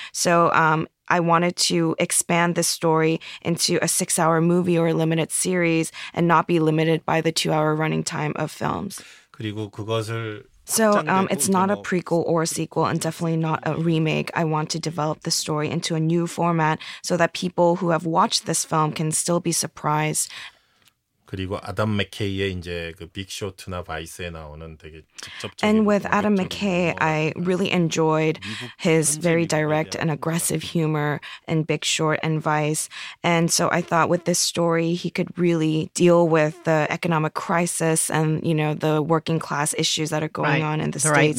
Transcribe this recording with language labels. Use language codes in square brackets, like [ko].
[en] So I wanted to expand this story into a six-hour movie or a limited series and not be limited by the two-hour running time of films. So it's not a prequel or a sequel and definitely not a remake. I want to develop the story into a new format so that people who have watched this film can still be surprised. [ko] 그리고 아담 맥케이의 이제 그 빅쇼트나 바이스에 나오는 되게 직접적인 [en] And with Adam McKay, I really enjoyed his very direct and aggressive humor in Big Short and Vice. And so I thought with this story, he could really deal with the economic crisis and, you know, the working class issues that are going on in the States